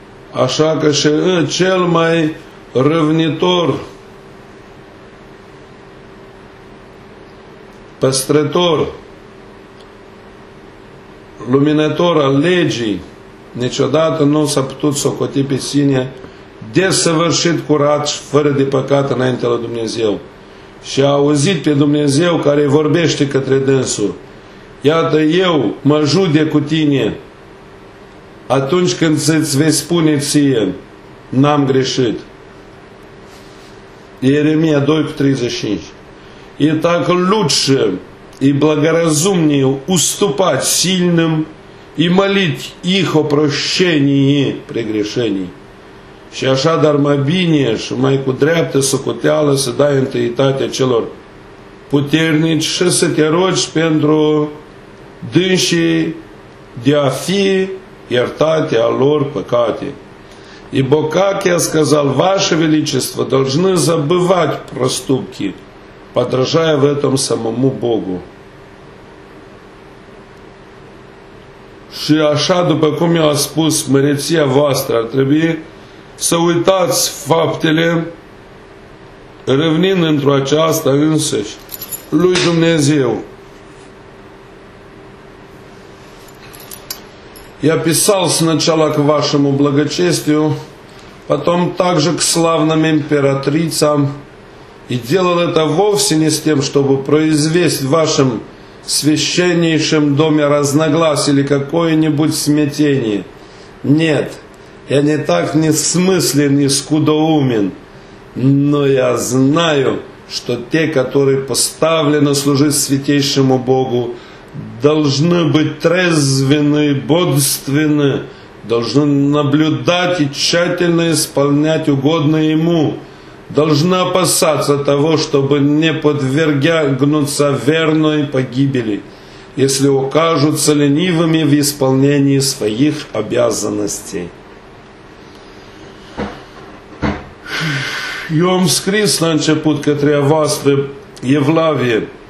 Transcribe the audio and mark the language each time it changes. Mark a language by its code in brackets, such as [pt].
[ro] Așa că și cel mai răvnitor, păstrător, luminător al legii, niciodată nu s-a putut socoti pe sine desăvârșit curat și fără de păcat înainte la Dumnezeu. Și a auzit pe Dumnezeu care vorbește către dânsul: iată, eu mă judec cu tine atunci când îți vei spune ție: n-am greșit. Ieremia 2:35. [ru] И так лучше и благоразумнее уступать сильным и молить их о прощении прегрешений. [ro] Și așa dar mai bine și mai cu dreaptă socoteală să dai întâietatea celor puternici și să te rogi pentru dânsii de a fi iertate a lor păcate. [ru] Ибо, как я сказал, ваше величество, должны забывать проступки, подражая в этом самому Богу. [ro] Și așa, după cum eu am spus, măreția voastră ar trebui să uitați faptele, revenind într-o aceasta însăși, lui Dumnezeu. [ru] Я писал сначала к вашему благочестию, потом также к славным императрицам, и делал это вовсе не с тем, чтобы произвести в вашем священнейшем доме разногласие или какое-нибудь смятение. Нет. Я не так несмыслен и скудоумен, но я знаю, что те, которые поставлены служить святейшему Богу, должны быть трезвены, бодрственны, должны наблюдать и тщательно исполнять угодное Ему, должны опасаться того, чтобы не подвергнуться верной погибели, если окажутся ленивыми в исполнении своих обязанностей. [ro] Eu am scris la început către a voastră, Evlavie,